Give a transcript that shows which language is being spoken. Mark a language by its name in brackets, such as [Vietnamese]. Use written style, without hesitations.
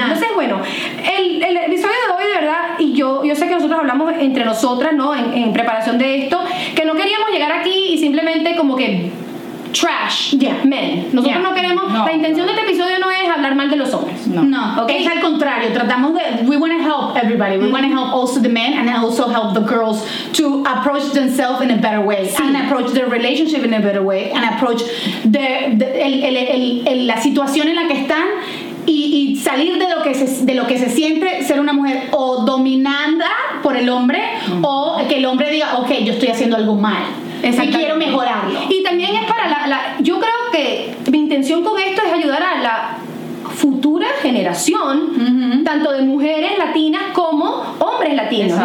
[Spanish] Entonces, bueno, el episodio de hoy, de verdad, y yo sé que nosotros hablamos entre nosotras, ¿no?, en preparación de esto, que no queríamos llegar aquí y simplemente como que [English] trash, men. [Spanish] Nosotros no queremos, la intención de este episodio no es hablar mal de los hombres. No. Okay. Es al contrario, tratamos de, [English] we want to help everybody. We want to help also the men and also help the girls to approach themselves in a better way. [Spanish] Sí. [English] And approach their relationship in a better way. And approach [Spanish] la situación en la que están y salir de lo que se siente ser una mujer o dominada por el hombre o que el hombre diga, okay, yo estoy haciendo algo mal. Y quiero mejorarlo. Y también es para la yo creo que mi intención con esto es ayudar a la futura generación, tanto de mujeres latinas como hombres latinos.